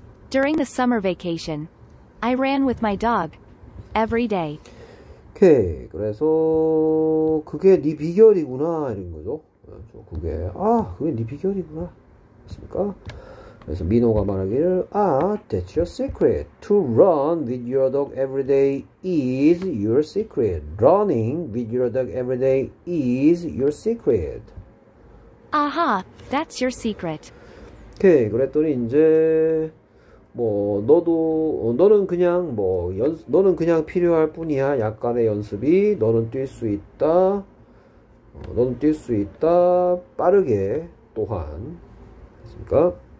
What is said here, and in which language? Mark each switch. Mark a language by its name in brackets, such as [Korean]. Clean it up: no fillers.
[English] During the summer vacation, I ran with my dog every day. [Korean] 그래서 그게 네 비결이구나 이런 거죠. 그게 아 그게 네 비결이구나 맞습니까? 그래서 민호가 말하기를 아 [English] that's your secret. To run with your dog every day is your secret. Running with your dog every day is your secret. Aha, that's your secret. [Korean] 오케이 그랬더니 이제 뭐 너는 그냥 필요할 뿐이야. 약간의 연습이 너는 뛸 수 있다. 너는 뛸 수 있다. 빠르게 또한 됐습니까?